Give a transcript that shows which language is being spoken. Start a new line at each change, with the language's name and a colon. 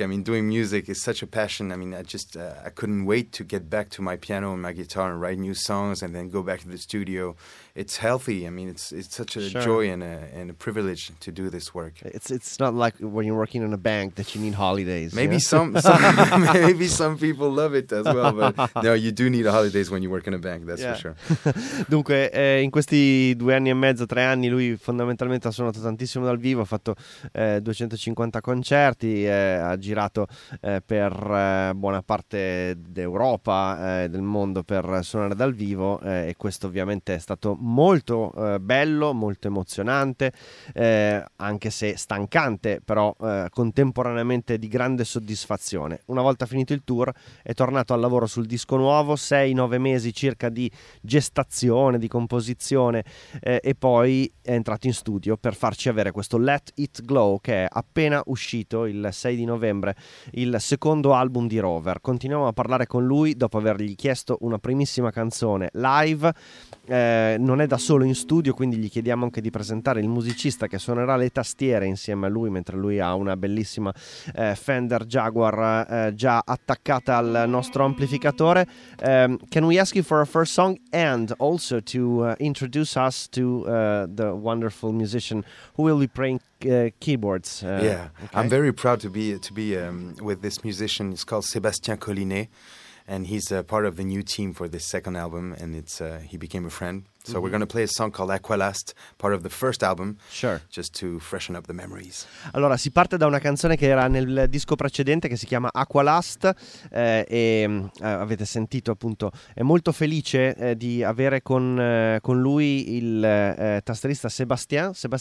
English: I mean, doing music is such a passion. I mean, I just I couldn't wait to get back to my piano and my guitar and write new songs and then go back to the studio. It's healthy. I mean, it's such a joy and a privilege to do this work. It's not like when you're working in a bank that you need holidays. Maybe some people love it as well, but no, you do need holidays when you work in a bank, that's for sure.
Italian: Dunque, in questi 2 anni e mezzo, 3 anni, lui fondamentalmente ha suonato tantissimo dal vivo, ha fatto 250 concerti, ha girato per buona parte d'Europa, del mondo, per suonare dal vivo, e questo ovviamente è stato molto bello, molto emozionante, anche se stancante, però contemporaneamente di grande soddisfazione. Una volta finito il tour è tornato al lavoro sul disco nuovo, 6-9 mesi circa di gestazione, di composizione, e poi è entrato in studio per farci avere questo Let It Glow, che è appena uscito il 6 di novembre, il secondo album di Rover. Continuiamo a parlare con lui dopo avergli chiesto una primissima canzone live. Non è da solo in studio, quindi gli chiediamo anche di presentare il musicista che suonerà le tastiere insieme a lui, mentre lui ha una bellissima Fender Jaguar già attaccata al nostro amplificatore.
English: Can we ask you for a first song and also to introduce us to the wonderful musician who will be playing keyboards? Okay. I'm very proud to be with this musician. It's called Sébastien Collinet. And he's a part of the new team for this second album, and he became a friend. So mm-hmm. we're going to play a song called Aqualast, part of the first album, just to freshen up the memories.
Italian: Allora, si parte da una canzone che era nel disco precedente, che si chiama Aqualast, e avete sentito appunto, è molto felice di avere con lui il tastierista Sébastien.